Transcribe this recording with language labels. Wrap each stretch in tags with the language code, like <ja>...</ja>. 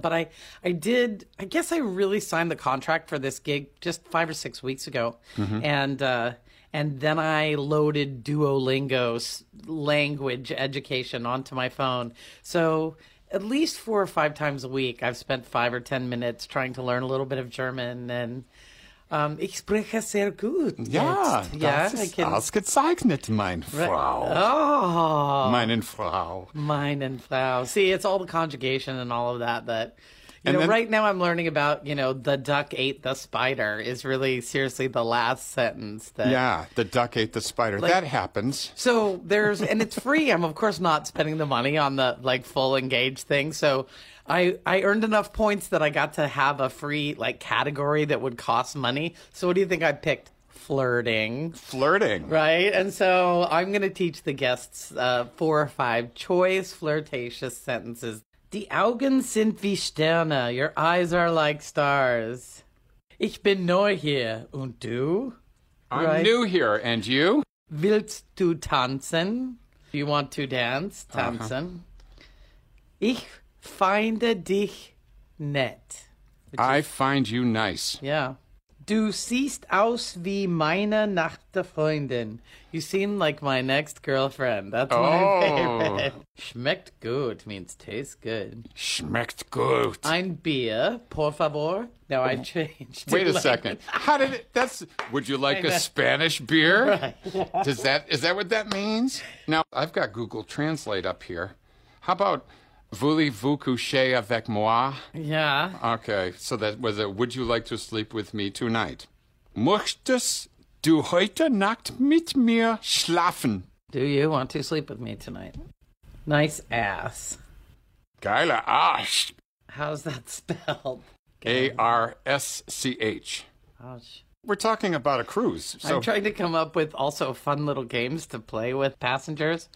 <en>But I guess I really signed the contract for this gig just 5 or 6 weeks ago. Mm-hmm. And then I loaded Duolingo language education onto my phone. So at least 4 or 5 times a week, I've spent 5 or 10 minutes trying to learn a little bit of German.</en> <de>And ich spreche sehr gut. Ausgezeichnet, mein Frau. Oh. Meinen Frau.</de> <en>See, it's all the conjugation and all of that that... right now I'm learning about, the duck ate the spider is really seriously the last sentence. The duck ate the spider. Like, that happens. So there's, and it's free. I'm, of course, not spending the money on the, full engaged thing. So I earned enough points that I got to have a free, category that would cost money. So what do you think I picked? Flirting. Right? And so I'm going to teach the guests 4 or 5 choice flirtatious sentences.</en> <de>Die Augen sind wie Sterne.</de> <en>Your eyes are like stars.</en> <de>Ich bin neu hier. Und du?</de> <en>I'm new here. And you?</en> <de>Willst du tanzen?</de> <en>You want to dance?</en> <de>Tanzen. Uh-huh. Ich finde dich nett.</de> <en>I find you nice. Yeah.</en> <de>Du siehst aus wie meine nächste Freundin.</de> <en>You seem like my next girlfriend. That's my favorite.</en> <de>Schmeckt gut</de> <en>means tastes good.</en> <de>Schmeckt gut. Ein Bier,</de> <es>por favor.</es> <en>Now I changed. Wait a second. Would you like a Spanish beer? Right. Is that what that means? Now, I've got Google Translate up here. How about...</en> <fr>Voulez-vous coucher avec moi? Yeah.</fr> <en>Okay, so that was it. Would you like to sleep with me tonight?</en> <de>Möchtest du heute Nacht mit mir schlafen?</de> <en>Do you want to sleep with me tonight? Nice ass.</en> <de>Geile Arsch.</de> <en>How's that spelled? A-R-S-C-H. Ouch. We're talking about a cruise. So. I'm trying to come up with also fun little games to play with passengers.</en>